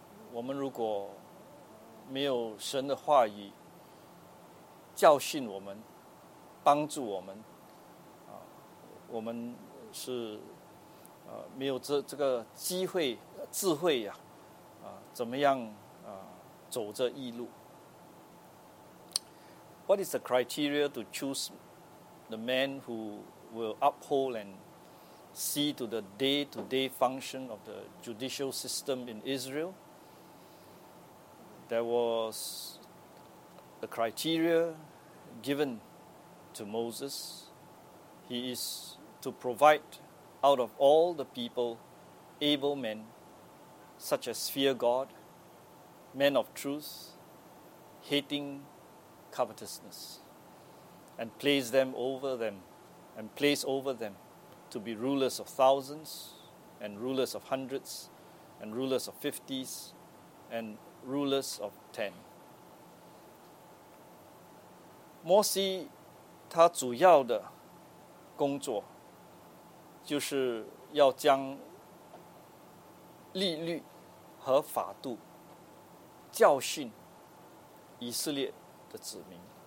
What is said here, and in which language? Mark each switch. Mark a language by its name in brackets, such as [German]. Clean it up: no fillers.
[Chinese] 我们如果没有神的话语教训我们、帮助我们，我们是没有这个机会、智慧呀、怎么样走这一路。 [English] What is the criteria to choose the man who will uphold and see to the day-to-day function of the judicial system in Israel? There was a criteria given to Moses. He is to provide out of all the people able men such as fear God, men of truth, hating covetousness, and place them over them, and place over them to be rulers of thousands, and rulers of hundreds, and rulers of fifties, and rulers of ten. [Chinese] 摩西他主要的工作就是要将律例和法度教训以色列的子民。